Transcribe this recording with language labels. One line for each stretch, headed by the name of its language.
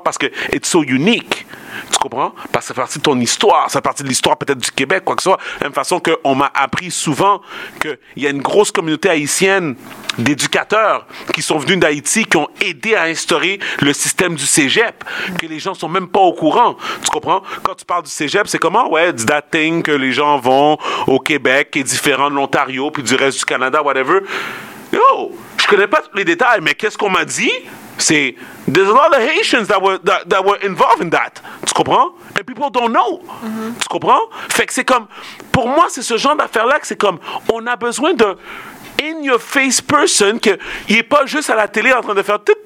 French: Parce que
English: it's so unique.
French: Tu comprends? Parce que c'est partie de ton histoire, c'est partie de l'histoire peut-être du Québec, quoi que ce soit. De la même façon qu'on m'a appris souvent qu'il y a une grosse communauté haïtienne d'éducateurs qui sont venus d'Haïti, qui ont aidé à instaurer le système du cégep, que les gens ne sont même pas au courant. Tu comprends? Quand tu parles du cégep, c'est comment? Ouais,
English: it's that thing
French: que les gens vont au Québec, qui est différent de l'Ontario, puis du reste du Canada, whatever. Yo, je connais pas tous les détails, mais qu'est-ce qu'on m'a dit? C'est,
English: there's a lot of Haitians that were involved in that.
French: Tu comprends?
English: And people don't know.
French: Mm-hmm. Tu comprends? Fait que c'est comme, pour moi, c'est ce genre d'affaire-là que c'est comme, on a besoin de
English: in-your-face person
French: qui n'est pas juste à la télé en train de faire